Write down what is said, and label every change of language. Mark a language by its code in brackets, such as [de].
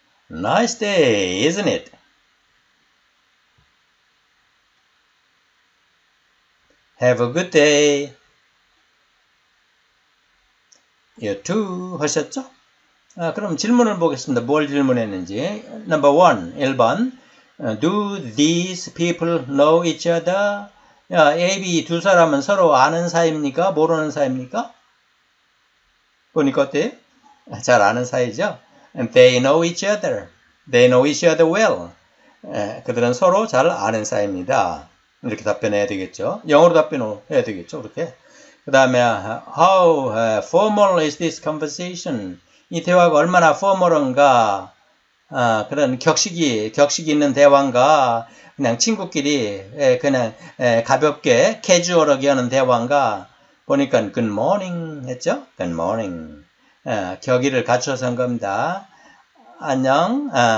[en] Nice day, isn't it? Have a good day. You too. [ko] 하셨죠? 아, 그럼 질문을 보겠습니다. 뭘 질문했는지. Number one, 1번. [en] Do these people know each other? [ko] 야, A, B 두 사람은 서로 아는 사이입니까? 모르는 사이입니까? 보니까 어때? 잘 아는 사이죠? [en] And they know each other. They know each other well. [ko] 에, 그들은 서로 잘 아는 사이입니다. 이렇게 답변해야 되겠죠. 영어로 답변을 해야 되겠죠. 그렇게. 그 다음에, [en] How formal is this conversation? [ko] 이 대화가 얼마나 formal한가? 그런 격식이 있는 대화인가? 그냥 친구끼리, 그냥 가볍게, 캐주얼하게 하는 대화인가? 보니까, Good morning 했죠? [en] Good morning. [ko] 격의를 갖춰서 한 겁니다. 안녕.